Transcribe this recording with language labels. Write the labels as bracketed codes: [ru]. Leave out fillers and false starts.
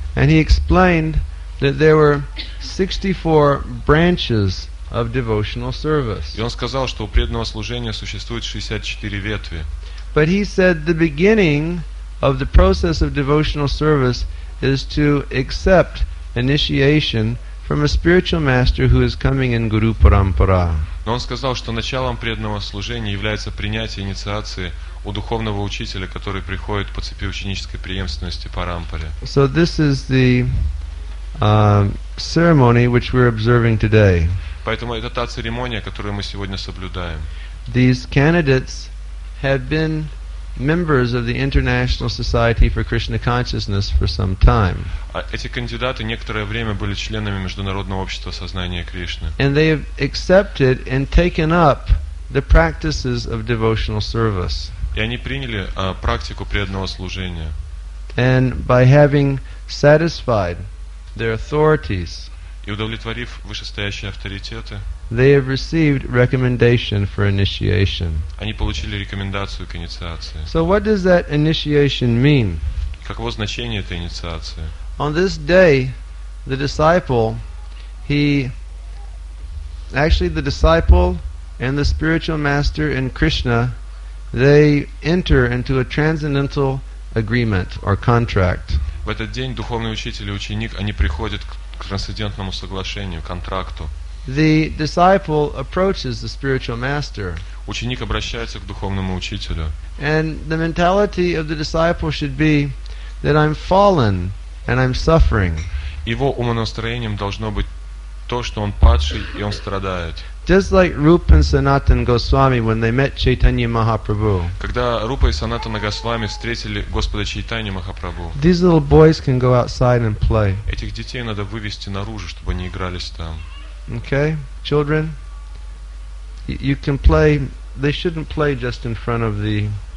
[en] And he explained that there were 64 branches of devotional service. [ru] И он сказал, что у преданного служения существует 64 ветви. [en] But he said the beginning of the process of devotional service is to accept initiation from a spiritual master who is coming in Guru Parampara. [ru] Но он сказал, что началом преданного служения является принятие инициации у духовного учителя, который приходит по цепи ученической преемственности Парампаре. [en] So this is the ceremony which we're observing today. [ru] Поэтому это та церемония, которую мы сегодня соблюдаем. [en] These candidates have been members of the International Society for Krishna Consciousness for some time. [ru] Эти кандидаты некоторое время были членами Международного общества сознания Кришны. [en] And they have accepted and taken up the practices of devotional service. [ru] И они приняли практику преданного служения. [en] And by having satisfied their authorities, [ru] и удовлетворив вышестоящие авторитеты, [en] they have received recommendation for initiation. [ru] Они получили рекомендацию к инициации. [en] So what does that initiation mean? [ru] Каково значение этой инициации? [en] On this day, the disciple, the disciple and the spiritual master and Krishna, they enter into a transcendental agreement or contract. [ru] В этот день духовный учитель и ученик они приходят к трансцендентному соглашению, контракту. [en] The disciple approaches the spiritual master. [ru] Ученик обращается к духовному учителю. [en] And the mentality of the disciple should be that I'm fallen and I'm suffering. [ru] Его умонастроением должно быть то, что он падший и он страдает. [en] Just like Rupa and Sanatan Goswami when they met Chaitanya Mahaprabhu. [ru] Когда Рупа и Санатана Госвами встретили Господа Чайтанью Махапрабху. [en] These little boys can go outside and play. [ru] Этих детей надо вывести наружу, чтобы они игрались там. [en] Okay, children, you can play. They shouldn't play just in front of the.